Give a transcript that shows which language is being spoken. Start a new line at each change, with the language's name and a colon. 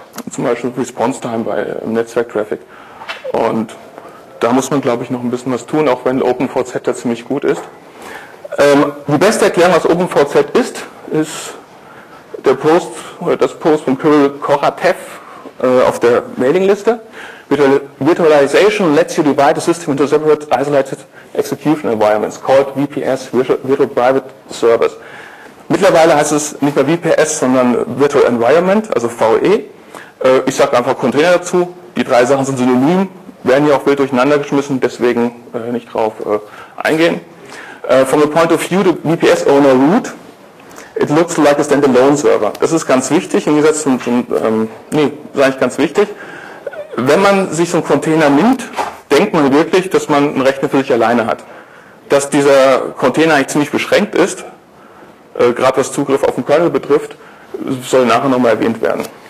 German: Zum Beispiel Response Time bei Netzwerk-Traffic. Und da muss man, glaube ich, noch ein bisschen was tun, auch wenn OpenVZ da ziemlich gut ist. Die beste Erklärung, was OpenVZ ist, ist der Post oder das Post von Kirill Koratev auf der Mailingliste.
English: Virtualization lets you divide a system into separate isolated execution environments, called VPS, Virtual Private Service.
German: Mittlerweile heißt es nicht mehr VPS, sondern Virtual Environment, also VE. Ich sage einfach Container dazu. Die drei Sachen sind synonym, werden ja auch wild durcheinander geschmissen, deswegen nicht drauf eingehen.
English: From the point of view, the VPS owner root, it looks like a standalone server.
German: Das ist ganz wichtig, im Gegensatz zum, wenn man sich so einen Container nimmt, denkt man wirklich, dass man einen Rechner für sich alleine hat. Dass dieser Container eigentlich ziemlich beschränkt ist, gerade was Zugriff auf den Kernel betrifft, soll nachher nochmal erwähnt werden.